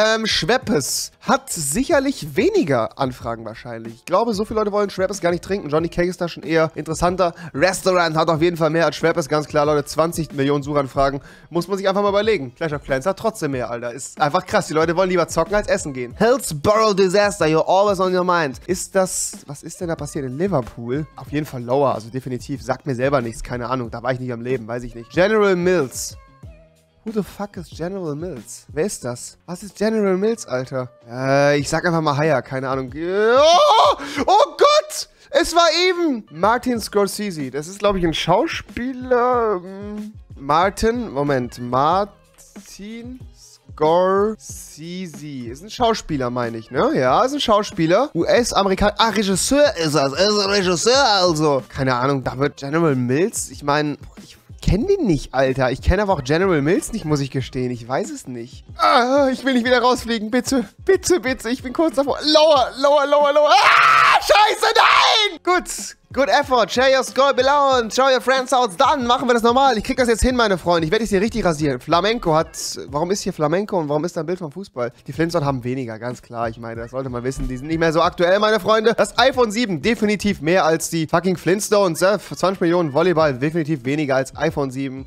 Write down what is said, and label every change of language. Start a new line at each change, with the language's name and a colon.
German: Schweppes hat sicherlich weniger Anfragen wahrscheinlich. Ich glaube, so viele Leute wollen Schweppes gar nicht trinken. Johnny Cash ist da schon eher interessanter. Restaurant hat auf jeden Fall mehr als Schweppes. Ganz klar, Leute, 20 Millionen Suchanfragen. Muss man sich einfach mal überlegen. Clash of Clans hat trotzdem mehr, Alter. Ist einfach krass. Die Leute wollen lieber zocken als essen gehen.
English: Hillsborough Disaster, you're always on your mind.
German: Ist das, was ist denn da passiert in Liverpool? Auf jeden Fall lower, also definitiv. Sagt mir selber nichts, keine Ahnung. Da war ich nicht am Leben, weiß ich nicht. General Mills.
English: Who the fuck is General Mills?
German: Wer ist das? Was ist General Mills, Alter? Ich sag einfach mal higher, keine Ahnung. Oh Gott! Es war eben Martin Scorsese. Das ist, glaube ich, ein Schauspieler. Martin Scorsese. Ist ein Schauspieler, meine ich, ne? Ja, ist ein Schauspieler. US-Amerikaner. Ah, Regisseur ist das. Ist ein Regisseur, also. Keine Ahnung, damit General Mills? Ich meine, ich kenne den nicht, Alter. Ich kenne aber auch General Mills nicht, muss ich gestehen. Ich weiß es nicht. Ah, ich will nicht wieder rausfliegen. Bitte, bitte, bitte. Ich bin kurz davor. Lower. Ah, scheiße, nein! Gut.
English: Good effort, share your score below and show your friends how it's done.
German: Machen wir das normal. Ich krieg das jetzt hin, meine Freunde. Ich werde dich hier richtig rasieren. Flamenco hat... Warum ist hier Flamenco und warum ist da ein Bild vom Fußball? Die Flintstones haben weniger, ganz klar. Ich meine, das sollte man wissen. Die sind nicht mehr so aktuell, meine Freunde. Das iPhone 7, definitiv mehr als die fucking Flintstones. 20 Millionen Volleyball, definitiv weniger als iPhone 7.